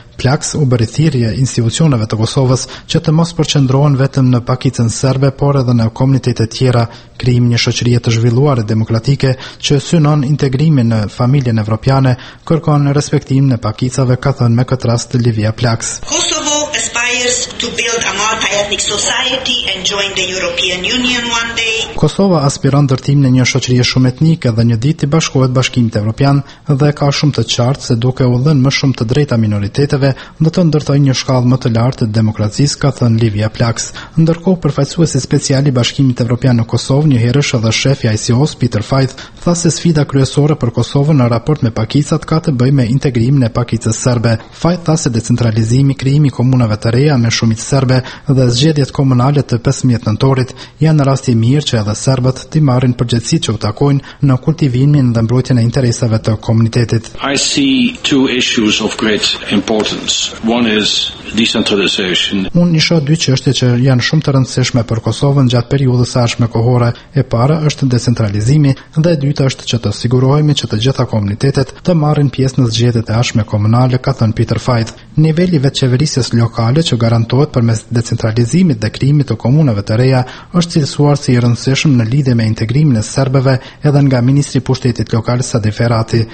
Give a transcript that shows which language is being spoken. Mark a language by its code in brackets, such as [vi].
[sq] Plaks u bëri thirrje institucioneve të Kosovës që të mos përqendrohen vetëm në pakicën serbe, por edhe në komunitete tjera, krijim një shoqërie të zhvilluar e demokratike që synon integrimin në familjen evropiane, kërkon respektim në pakicave, ka thënë me këtë rast Livia Plaks. [en] Kosovo aspires to build a multi-ethnic society and join the European Union one day. [sq] Kosova aspiron ndërtim në një shoqëri shumë etnike dhe një ditë të bashkohet Bashkimit Evropian dhe ka shumë të qartë se duke u dhënë më shumë të drejta minoriteteve, do të ndërtojë një shkallë më të lartë të demokracisë, ka thënë Livia Plaks. Ndërkohë, përfaqësuesi special i Bashkimit Evropian në Kosovë, një herësh edhe shefi i ICO-s Peter Faith, tha se sfida kryesore për Kosovën në raport me pakicat ka të bëjë me integrimin e pakicës serbe. Faith tha se decentralizimi, krijimi komunave të reja me shumicë serbe dhe zgjedhjet komunale të 15 nëntorit janë në rasti mirë që edhe serbët ti marrin përgjegjësitë që u takojnë në kultivimin dhe mbrojtjen e interesave të komunitetit. [en] I see two issues of great importance. One is decentralization. [sq] Unë i shoh dy çështje që janë shumë të rëndësishme për Kosovën gjatë periudhës së ardhshme kohore. E para është decentralizimi dhe e dyta është që të sigurohemi që të gjitha komunitetet të marrin pjesë në zgjedhjet e ardhshme komunale, ka thënë Peter Faith. Niveli vetëqeverisjes lokale që garantohet përmes decentralizimit dhe krijimit të komunave të reja është cilësuar si rëndësishëm në lidhje me integrimin e serbëve edhe nga ministri i pushtetit lokal Sadi Ferati.